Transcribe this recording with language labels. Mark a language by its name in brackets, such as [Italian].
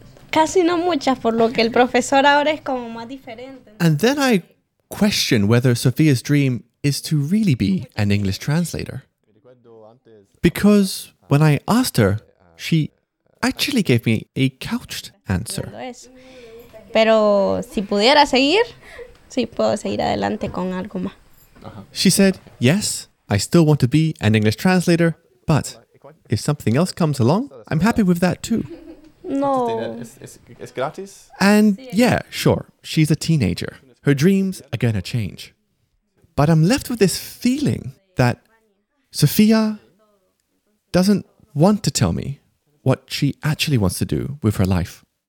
[Spanish] Casi no muchas, por lo que el profesor ahora es como más diferente. [English] And then I question whether Sofia's dream is to really be an English translator. Because when I asked her, she actually gave me a couched answer. [Spanish] Pero si pudiera seguir, sí puedo seguir adelante con algo más. [English] She said, yes, I still want to be an English translator, but if something else comes along, I'm happy with that too. [Spanish] No. [English] It's gratis. And yeah, sure, she's a teenager. Her dreams are going to change. But I'm left with this feeling that Sofia doesn't want to tell me what she actually wants to do with her life.